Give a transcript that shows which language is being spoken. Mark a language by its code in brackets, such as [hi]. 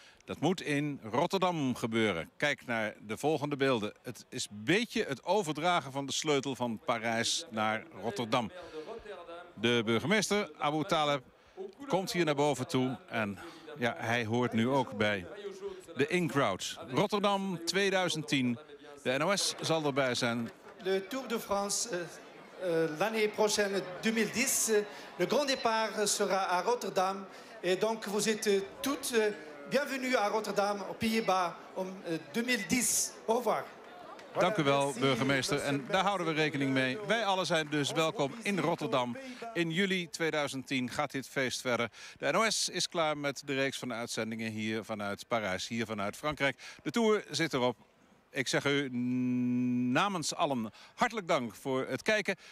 [nl] Dat moet in Rotterdam gebeuren. Kijk naar de volgende beelden. Het is een beetje het overdragen van de sleutel van Parijs naar Rotterdam. De burgemeester Abu Taleb komt hier naar boven toe en ja, hij hoort nu ook bij de in-crowd. Rotterdam 2010. De NOS zal erbij zijn. [fr] De Tour de France l'année prochaine 2010. Le grand départ sera à Rotterdam. Et donc vous êtes toutes bienvenue à Rotterdam aux Pays-Bas [nl] om [fr] 2010. Au revoir. [nl] Dank u wel, burgemeester. En daar houden we rekening mee. Wij alle zijn dus welkom in Rotterdam. In juli 2010 gaat dit feest verder. De NOS is klaar met de reeks van de uitzendingen hier vanuit Parijs, hier vanuit Frankrijk. De Tour zit erop. Ik zeg u namens allen hartelijk dank voor het kijken.